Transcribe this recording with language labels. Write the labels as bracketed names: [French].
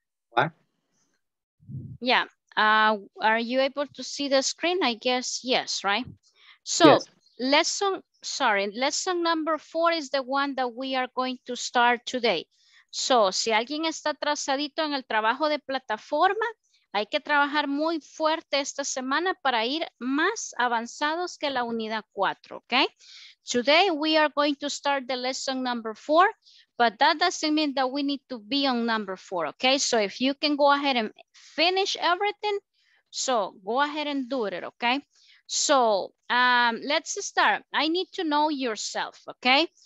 [English] What? Yeah. Are you able to see the screen? I guess yes, right? So yes. Lesson number 4 is the one that we are going to start today. [Spanish] So si alguien está atrasadito en el trabajo de plataforma, hay que trabajar muy fuerte esta semana para ir más avanzados que la unidad 4, okay? [English] Today we are going to start the lesson number 4, but that doesn't mean that we need to be on number 4, okay? So if you can go ahead and finish everything, so go ahead and do it, okay? So let's start. I need to know yourself, okay?